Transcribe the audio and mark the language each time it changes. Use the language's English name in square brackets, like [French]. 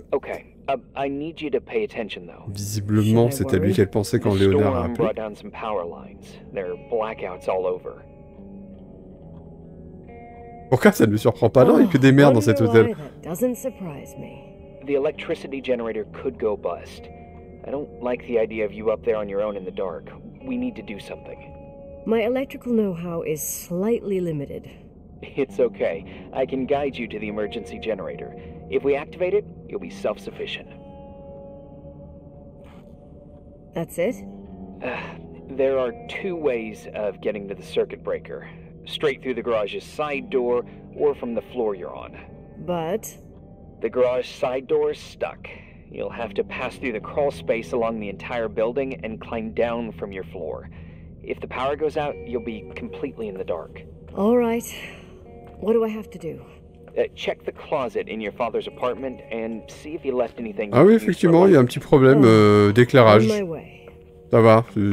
[English] Okay, I need you to pay attention, though. [French] Visiblement, c'était lui qu'elle pensait quand Leonard a appelé. [English] Brought down some power lines. There are blackouts all over. [French] Pourquoi ça ne me surprend pas? Non, il y a que des merdes dans cet hôtel. [English] Doesn't surprise me. The electricity generator could go bust. I don't like the idea of you up there on your own in the dark. We need to do something. My electrical know-how is slightly limited. It's okay. I can guide you to the emergency generator. If we activate it, you'll be self-sufficient. That's it? There are two ways of getting to the circuit breaker. Straight through the garage's side door, or from the floor you're on. But? The garage side door is stuck. You'll have to pass through the crawl space along the entire building and climb down from your floor. If the power goes out, you'll be completely in the dark. All right. What do I have to do? Check the closet in your father's apartment and see if he left anything. [French] Ah oui, effectivement, il y a un petit problème d'éclairage. Ça va.